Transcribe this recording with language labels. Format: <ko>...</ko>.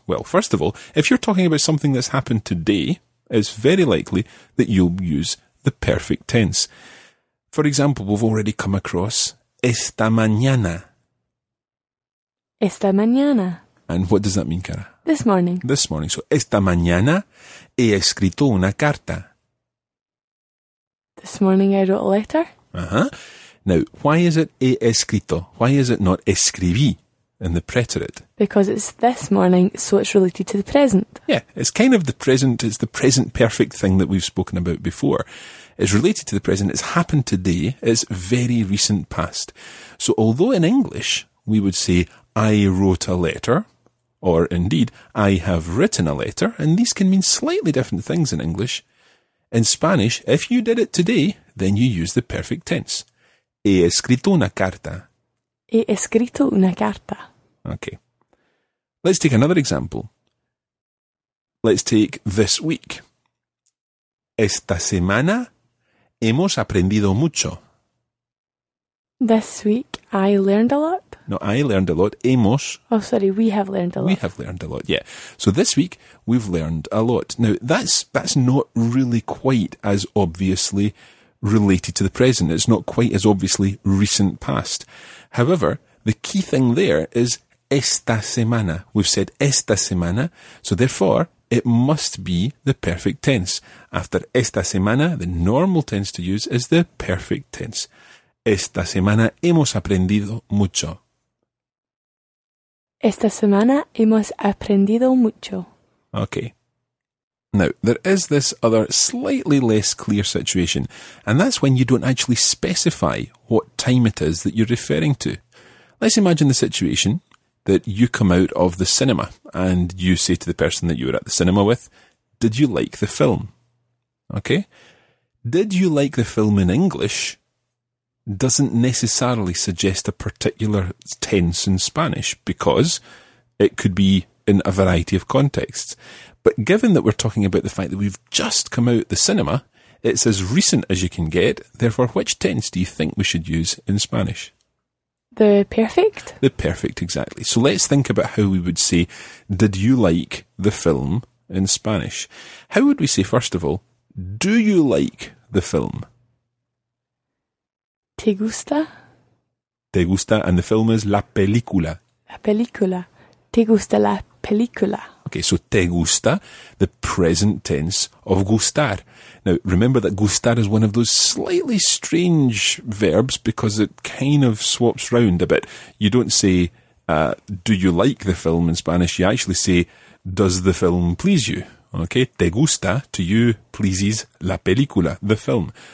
<en>Well, first of all, if you're talking about something that's happened today, it's very likely that you'll use the perfect tense. For example, we've already come across</en> <es>esta mañana. Esta mañana.</es> <en>And what does that mean, Cara? This morning. This morning. So,</en> <es>esta mañana he escrito una carta.</es> <en>This morning I wrote a letter. Uh-huh. Now, why is it</en> <es>he escrito?</es> <en>Why is it not escribí in the preterite? Because it's this morning, so it's related to the present. Yeah, it's kind of the present. It's the present perfect thing that we've spoken about before. It's related to the present. It's happened today. It's very recent past. So although in English we would say, I wrote a letter, or indeed, I have written a letter, and these can mean slightly different things in English, in Spanish, if you did it today, then you use the perfect tense.</en> <es>He escrito una carta. He escrito una carta.</es> <en>Okay. Let's take another example. Let's take this week.</en> <es>Esta semana hemos aprendido mucho.</es> <en>This week I learned a lot. No, I learned a lot. Hemos. Oh, sorry, we have learned a lot. We have learned a lot, yeah. So this week we've learned a lot. Now, that's not really quite as obviously related to the present. It's not quite as obviously recent past. However, the key thing there is</en> <es>esta semana.</es> <en>We've said</en> <es>esta semana,</es> <en>so therefore it must be the perfect tense. After</en> <es>esta semana,</es> <en>the normal tense to use is the perfect tense.</en> <es>Esta semana hemos aprendido mucho. Esta semana hemos aprendido mucho.</es> <en>Okay. Now, there is this other slightly less clear situation, and that's when you don't actually specify what time it is that you're referring to. Let's imagine the situation that you come out of the cinema and you say to the person that you were at the cinema with, did you like the film? Okay. Did you like the film in English doesn't necessarily suggest a particular tense in Spanish because it could be in a variety of contexts. But given that we're talking about the fact that we've just come out the cinema, it's as recent as you can get. Therefore, which tense do you think we should use in Spanish? The perfect? The perfect, exactly. So let's think about how we would say, did you like the film in Spanish? How would we say, first of all, do you like the film?</en> <es>¿Te gusta? ¿Te gusta?</es> <en>And the film is</en> <es>la película. La película. ¿Te gusta la película?</es> <en>Okay, so</en> <es>te gusta,</es> <en>the present tense of gustar. Now, remember that gustar is one of those slightly strange verbs because it kind of swaps round a bit. You don't say, do you like the film in Spanish? You actually say, does the film please you? Okay,</en> <es>te gusta,</es> <en>to you, pleases</en> <es>la película,</es> <en>the film.</en>